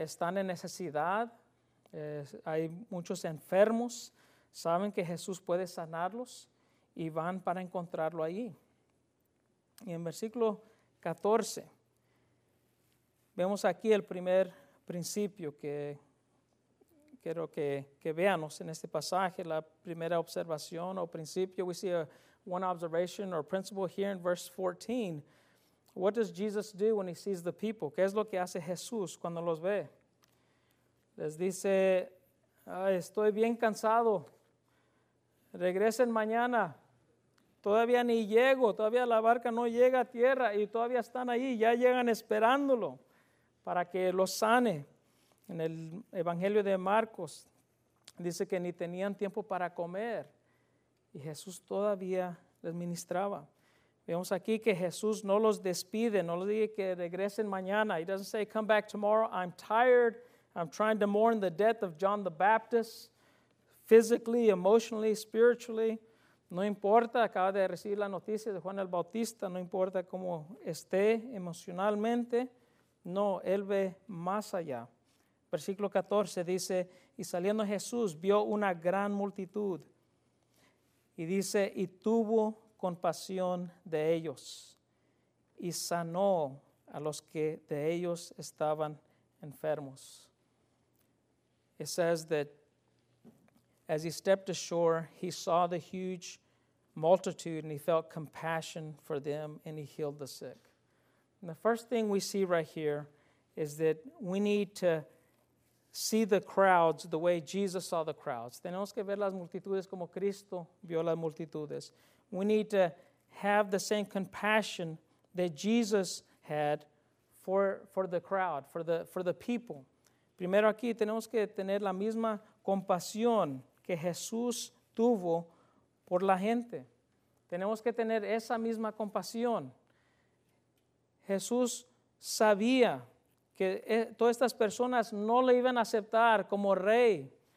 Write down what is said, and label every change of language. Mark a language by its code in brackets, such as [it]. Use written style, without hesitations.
[es] Están en necesidad. Hay muchos enfermos, saben que Jesús puede sanarlos y van para encontrarlo allí. Y en versículo 14, vemos aquí el primer principio que quiero que veamos en este pasaje, la primera observación o principio. [en] We see one observation or principle here in verse 14. What does Jesus do when he sees the people? [es] ¿Qué es lo que hace Jesús cuando los ve? Les dice, estoy bien cansado. Regresen mañana. Todavía ni llego. Todavía la barca no llega a tierra y todavía están ahí. Ya llegan esperándolo para que los sane. En el Evangelio de Marcos dice que ni tenían tiempo para comer y Jesús todavía les ministraba. Vemos aquí que Jesús no los despide, no les dice que regresen mañana. [en] He doesn't say, come back tomorrow, I'm tired, I'm trying to mourn the death of John the Baptist, physically, emotionally, spiritually. [es] No importa, acaba de recibir la noticia de Juan el Bautista, no importa cómo esté emocionalmente. No, él ve más allá. Versículo 14 dice, y saliendo Jesús vio una gran multitud. Y dice, y tuvo compasión de ellos y sanó a los que de ellos estaban enfermos. [en] It says that as he stepped ashore, he saw the huge multitude and he felt compassion for them and he healed the sick. And the first thing we see right here is that we need to see the crowds the way Jesus saw the crowds. [es] Tenemos que ver las multitudes como Cristo vio las multitudes. [en] We need to have the same compassion that Jesus had for the crowd, for the people. [es] Primero aquí tenemos que tener la misma compasión que Jesús tuvo por la gente. Tenemos que tener esa misma compasión. Jesús sabía que todas estas personas no le iban a aceptar como rey.